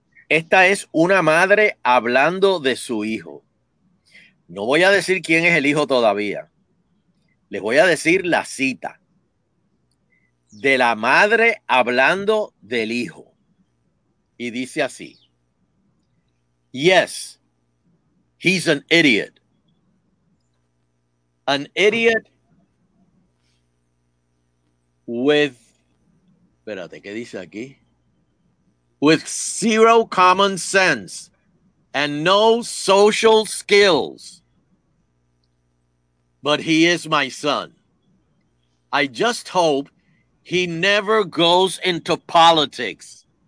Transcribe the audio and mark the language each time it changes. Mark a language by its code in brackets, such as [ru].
[es] Esta es una madre hablando de su hijo. No voy a decir quién es el hijo todavía. Les voy a decir la cita. De la madre hablando del hijo. Y dice así. [en] Yes, he's an idiot. An idiot [es] with, espérate, ¿qué dice aquí? [en] With zero common sense and no social skills. But he is my son. I just hope he never goes into politics.